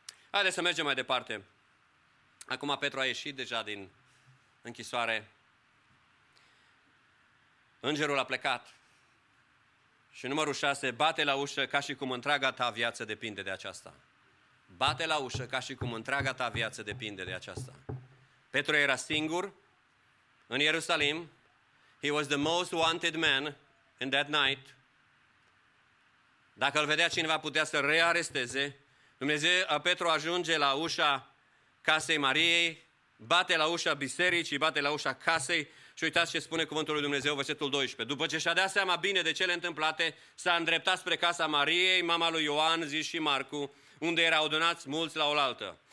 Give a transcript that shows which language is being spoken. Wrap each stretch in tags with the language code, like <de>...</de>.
<ro>Haideți să mergem mai departe. Acum Petru a ieșit deja din închisoare, îngerul a plecat și numărul 6, bate la ușă ca și cum întreaga ta viață depinde de aceasta. Bate la ușă ca și cum întreaga ta viață depinde de aceasta. Petru era singur în Ierusalim.</ro> <en>He was the most wanted man in that night.</en> <ro>Dacă îl vedea cineva putea să rearesteze. Dumnezeu, Petru ajunge la ușa casei Mariei, bate la ușa bisericii, bate la ușa casei și uitați ce spune cuvântul lui Dumnezeu, versetul 12. După ce și-a dat seama bine de cele întâmplate, s-a îndreptat spre casa Mariei, mama lui Ioan, zis și Marcu, unde erau adunați mulți la oaltă.</ro>